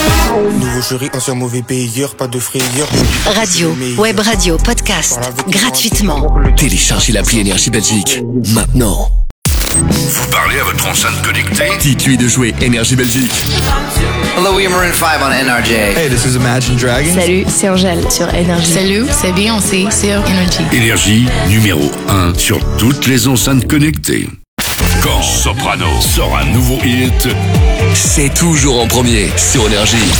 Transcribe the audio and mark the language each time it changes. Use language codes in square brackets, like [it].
[fr] Nouveau jury, ancien mauvais payeur, pas de frayeur. Radio, web radio, podcast, gratuitement. Téléchargez l'appli Énergie Belgique, maintenant. Vous parlez à votre enceinte connectée. Dites-lui de jouer Énergie Belgique. [en] Hello, we are Maroon 5 on NRJ. Hey, this is Imagine Dragons. [fr] Salut, c'est Angèle sur NRJ. Salut, c'est Beyoncé sur NRJ. Énergie numéro 1 sur toutes les enceintes connectées. Quand Soprano sort un nouveau hit, c'est toujours en premier sur NRJ.